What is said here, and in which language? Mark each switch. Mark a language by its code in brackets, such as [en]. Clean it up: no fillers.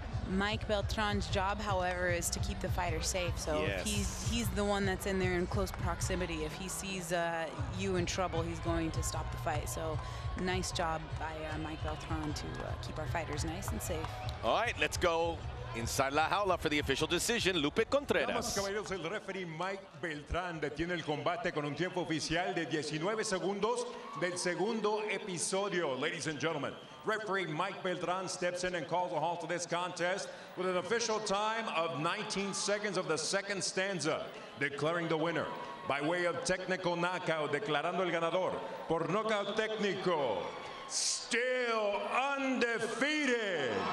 [en] Mike Beltran's job, however, is to keep the fighter safe. So yes. He's the one that's in there in close proximity. If he sees you in trouble, he's going to stop the fight. So nice job by Mike Beltran to keep our fighters nice and safe. All right, let's go inside La Jaula for the official decision, Lupe Contreras. [es] Damas y caballeros, el referee Mike Beltran detiene el combate con un tiempo oficial de 19 segundos del segundo episodio. [en] Ladies and gentlemen, referee Mike Beltran steps in and calls a halt to this contest with an official time of 19 seconds of the second stanza, declaring the winner by way of technical knockout, [es] declarando el ganador por knockout técnico, [en] still undefeated.